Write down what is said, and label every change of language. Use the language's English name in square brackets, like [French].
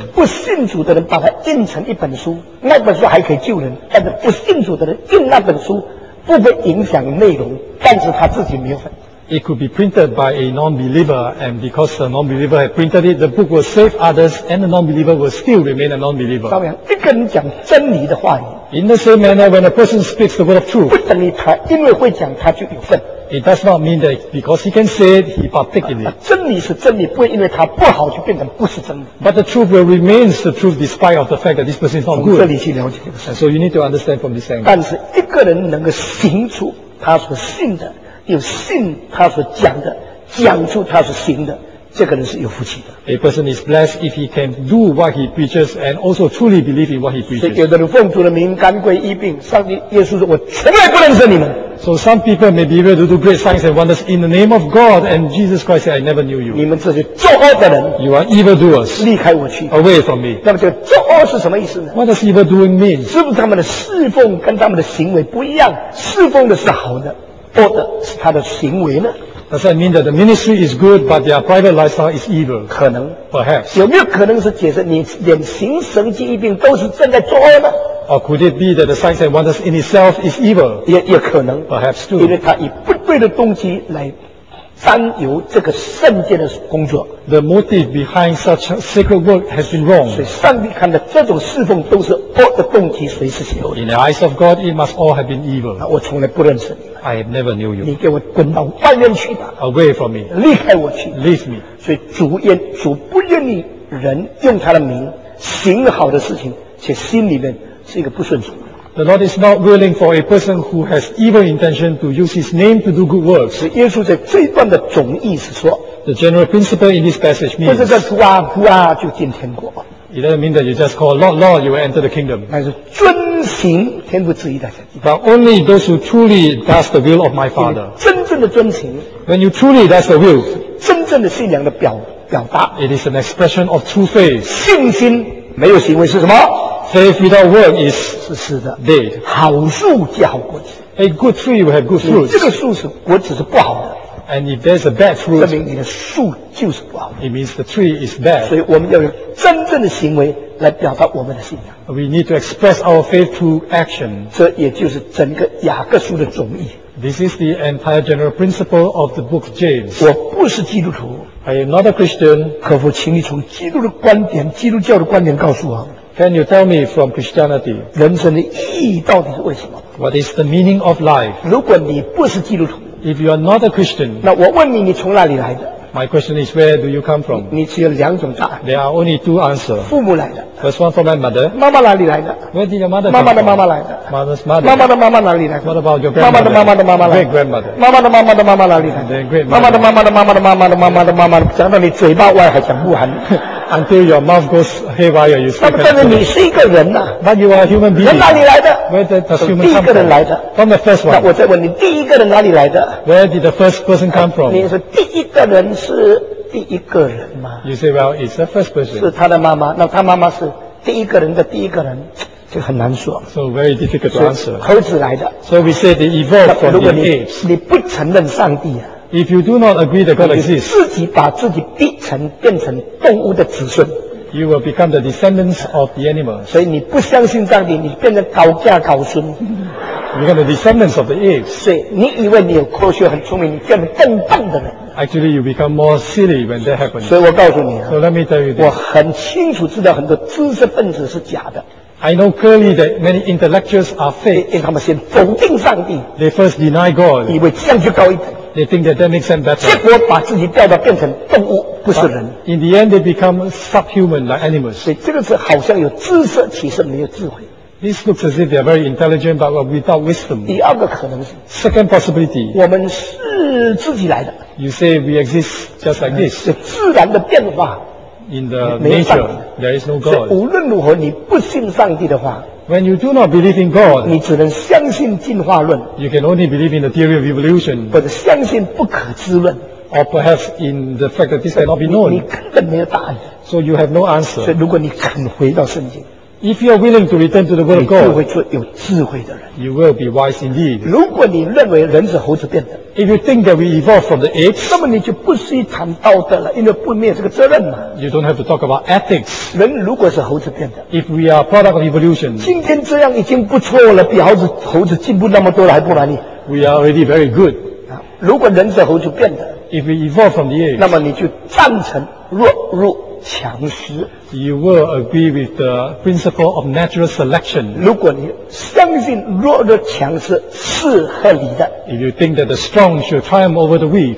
[Chinese] 不信主的人把它印成一本书，那本书还可以救人，但是不信主的人印那本书不会影响内容，但是他自己没有份。 [English] It could be printed by a non-believer, and because the non-believer had printed it, the book will save others, and the non-believer will still remain a non-believer. [Chinese] 照样，一个人讲真理的话语。 [English] In the same manner, when a person speaks the word of truth, [Chinese] 不等于他因为会讲他就有份。 [English] It does not mean that because he can say it, he partake in it. [Chinese] 真理是真理，不会因为他不好就变成不是真理。 [English] But the truth will remain the truth despite of the fact that this person is not good. [Chinese] 从这里去了解这个事。 [English] So you need to understand from this angle. [Chinese] 但是一个人能够行出他所信的，有信他所讲的，讲出他所行的，这个人是有福气的。 [English] A person is blessed if he can do what he preaches and also truly believe in what he preaches. [Chinese] 所以有的人奉主的名干跪医病，上帝耶稣说：“我从来不认识你们。” [English] So some people may be able to do great signs and wonders in the name of God and Jesus Christ. Said, I never knew you. [Chinese] 你们这些作恶的人 [English] ，You are evil doers. [Chinese] 离开我去 [English] ，Away from me. [Chinese] 那么这个作恶是什么意思呢 [English] ？What does evil doing mean? [Chinese] 是不是他们的侍奉跟他们的行为不一样？侍奉的是好的，恶的是他的行为呢？ [English] Does that mean that the ministry is good, but their private lifestyle is evil? [Chinese] 可能 [English] perhaps [Chinese] 有没有可能是解释你眼行神迹一病都是正在作恶呢 [English] ？Or could it be that the signs and wonders in itself is evil? [Chinese] 也可能 [English] perhaps too. [Chinese] 因为他以不对的动机来沾有这个圣洁的工作。 [English] The motive behind such sacred work has been wrong. [Chinese] 所以上帝看的这种侍奉都是恶的动机，所以是邪恶的。 [English] In the eyes of God, it must all have been evil. [Chinese] 我从来不认识你。 [English] I have never knew you. [Chinese] 你给我滚到外面去吧。 [English] Away from me. [Chinese] 离开我去。 [English] Leave me. [Chinese] 所以主不愿意人用他的名行好的事情，且心里面是一个不顺从。 [English] The Lord is not willing for a person who has evil intention to use His name to do good works. [Chinese] 是耶稣在这一段的总意是说 [English] ，The general principle in this passage means [Chinese] 不是叫主啊主啊就进天国。 [English] It doesn't mean that you just call Lord Lord, you will enter the kingdom. [Chinese] 乃是遵行天父旨意的才进。 [English] But only those who truly does the will of my Father. [Chinese] 真正的遵行。 [English] When you truly does the will. [Chinese] 真正的信仰的表达。 [English] It is an expression of true faith. [Chinese] 信心没有行为是什么？ [English] Faith without work is [Chinese] 是的 [English] dead. [Chinese] 好树结好果子。 [English] A good tree will have good fruit. [Chinese] 这个树是果子是不好的。 [English] And if there's a bad fruit, [Chinese] 证明你的树就是不好的。 [English] It means the tree is bad. [Chinese] 所以我们要用真正的行为来表达我们的信仰。 [English] We need to express our faith through action. [Chinese] 这也就是整个雅各书的总意。 [English] This is the entire general principle of the book James. [Chinese] 我不是基督徒。 [English] I am not a Christian. [Chinese] 可否请你从基督的观点，基督教的观点告诉我？ [English] Can you tell me from Christianity? [Chinese] 人生的意义到底是为什么？ [English] What is the meaning of life? [Chinese] 如果你不是基督徒， [English] If you are not a Christian, [Chinese] 那我问你，你从哪里来的？ [English] My question is, where do you come from? [Chinese] 你只有两种答案。 [English] There are only two answers. [Chinese] 父母来的。 [English] First one from my mother. [Chinese] 妈妈哪里来的？ [English] Where did your mother come from? [Chinese] 妈妈的妈妈来的。 [English] Mother's mother. [Chinese] 妈妈的妈妈哪里来的？ [English] What about your grandmother? [Chinese] 妈妈的妈妈的妈妈来的。 [English] Great grandmother. [Chinese] 妈妈的妈妈的妈妈哪里来的？ [English] Great mother. [Chinese] 妈妈的妈妈的妈妈的妈妈的妈妈的妈妈的，讲到你嘴巴歪还讲不完。 [English] Until your mouth goes haywire, you speak. [Chinese] 但是你是一个人呐、啊。 [English] But you are a human being. [Chinese] 人哪里来的？ [English] Where does human come from? [Chinese] 第一个人来的。 [English] From the first one. [Chinese] 那我再问你，第一个人哪里来的？ [English] Where did the first person come from? [Chinese] 你说第一个人是第一个人吗？ [English] You say, well, it's the first person. [Chinese] 是他的妈妈，那他妈妈是第一个人的第一个人。这很难说。 [English] So very difficult to answer. [Chinese] 猴子来的。 [English] So we say they evolved from the apes. [Chinese] 你不承认上帝啊。 [English] If you do not agree that God exists, [Chinese] 自己把自己逼成变成动物的子孙。 [English] You will become the descendants of the animals. [Chinese] 所以你不相信上帝，你变成高价高孙。 [English] You become the descendants of the apes. [Chinese] 所以你以为你有科学很聪明，你变成更笨的人。 [English] Actually, you become more silly when that happens. [Chinese] 所以我告诉你啊， [English] so let me tell you this. [Chinese] 我很清楚知道很多知识分子是假的。 [English] I know clearly that many intellectuals are fake. [Chinese] 因为他们先否定上帝。 [English] They first deny God. [Chinese] 以为这样就高一点。 [English] They think that makes them better. [Chinese] 结果把自己掉到变成动物，不是人。 [English] But、in the end, they become subhuman like animals. [Chinese] 所以这个是好像有知识，其实没有智慧。 [English] This looks as if they are very intelligent, but without wisdom. [Chinese] 第二个可能是。 [English] Second possibility. [Chinese] 我们是自己来的。 [English] You say we exist just like this. [Chinese] 是自然的变化。 [English] In the nature, there is no God. [Chinese] 所以无论如何，你不信上帝的话。 [English] When you do not believe in God, [Chinese] 你只能相信进化论。 [English] You can only believe in the theory of evolution. [Chinese] 或者相信不可知论。 [English] Or perhaps in the fact that this cannot be known. [Chinese] 你根本没有答案。 [English] So you have no answer. [Chinese] 所以如果你肯回到圣经。 [English] If you are willing to return to the word of God, [Chinese] 你就会做有智慧的人。 [English] You will be wise indeed. [Chinese] 如果你认为人是猴子变的。 [English] If you think that we evolved from the apes, [Chinese] 那么你就不需要谈道德了，因为不灭这个责任嘛。 [English] You don't have to talk about ethics. [Chinese] 人如果是猴子变的。 [English] If we are product of evolution, [Chinese] 今天这样已经不错了，比猴子进步那么多了，还不满意。 [English] We are already very good. [Chinese] 如果人是猴子变的。 [English] If we evolved from the apes, [Chinese] 那么你就赞成弱肉强食。 [English] You will agree with the principle of natural selection. [Chinese] 如果你相信弱肉强食是合理的， [English] If you think that the strong should triumph over the weak,